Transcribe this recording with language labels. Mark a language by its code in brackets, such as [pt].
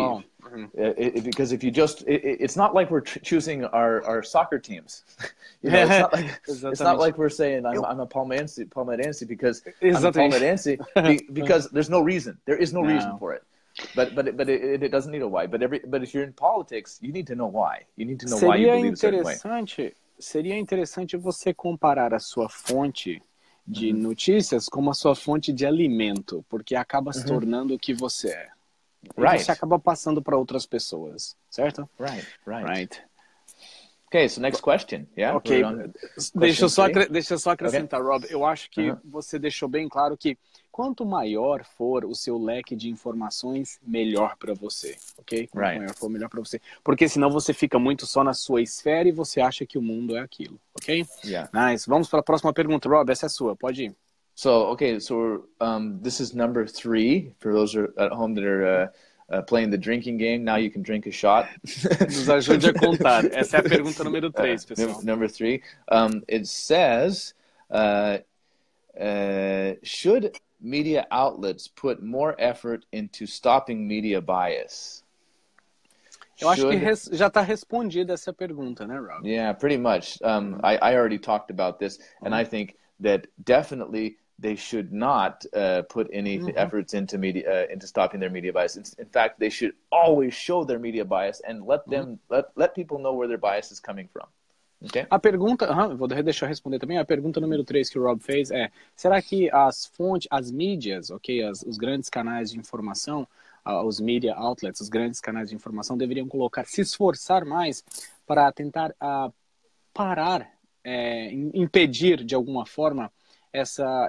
[en] Well, because if you just – it's not like we're choosing our soccer teams. You know, it's not like we're saying I'm a Palmeirense because [pt] exatamente. [en] I'm a Palmeirense because there's no reason. There is no reason for it. But it doesn't need a why. But if you're in politics, you need to know why. You need to know [pt] seria [en] why you believe a certain way. [pt] Seria interessante você comparar a sua fonte de uh-huh. notícias com a sua fonte de alimento, porque acaba se tornando o que você é. [en] Right. [pt] E você acaba passando para outras pessoas, certo? [en] Right. Okay, so next question. Yeah. [pt] Okay. Deixa eu só acrescentar, Rob. Eu acho que você deixou bem claro que quanto maior for o seu leque de informações, melhor para você, ok? [en] Right. [pt] Quanto maior for, melhor para você. Porque senão você fica muito só na sua esfera e você acha que o mundo é aquilo, ok? [en] Yeah. [pt] Nice. Vamos para a próxima pergunta, Rob. Essa é sua. Pode ir. [en] So, okay. So, this is number three for those at home that are playing the drinking game. Now you can drink a shot. [pt] Nos ajude a contar. Essa é a pergunta número três, pessoal. [en] Number three. It says, should media outlets put more effort into stopping media bias? [pt] Eu acho que já está respondida essa pergunta, né, Rob? [en] Yeah, pretty much. I already talked about this, and I think that definitely they should not put any efforts into media into stopping their media bias. In fact, they should always show their media bias and let them let people know where their bias is coming from. Okay. [pt] A pergunta, deixa eu responder também, a pergunta número 3 que o Rob fez é, será que as fontes, as mídias, ok, os grandes canais de informação, os media outlets, os grandes canais de informação deveriam colocar, se esforçar mais para tentar parar, impedir de alguma forma essa